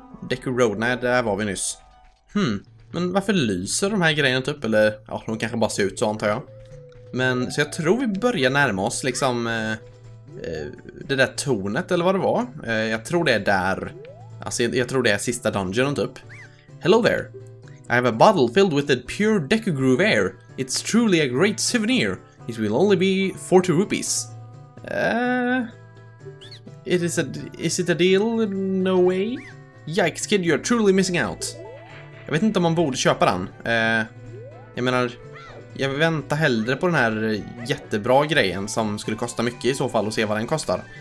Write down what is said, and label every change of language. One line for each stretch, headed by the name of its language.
Swedish: Deku Road, nej där var vi nyss. Hmm, men varför lyser de här grejerna typ? Eller ja, de kanske bara ser ut så antar jag. Men så jag tror vi börjar närma oss liksom det där tornet eller vad det var. Jag tror det är där. Alltså jag tror det är sista dungeonen typ.
English: Hello there. I have a bottle filled with the pure Deku Groove air. It's truly a great souvenir. It will only be 40 rupees. Is it a deal? No way. Yikes kid, you're truly missing out.
Swedish: Jag vet inte om man borde köpa den. Jag menar, jag väntar hellre på den här jättebra grejen som skulle kosta mycket i så fall och se vad den kostar.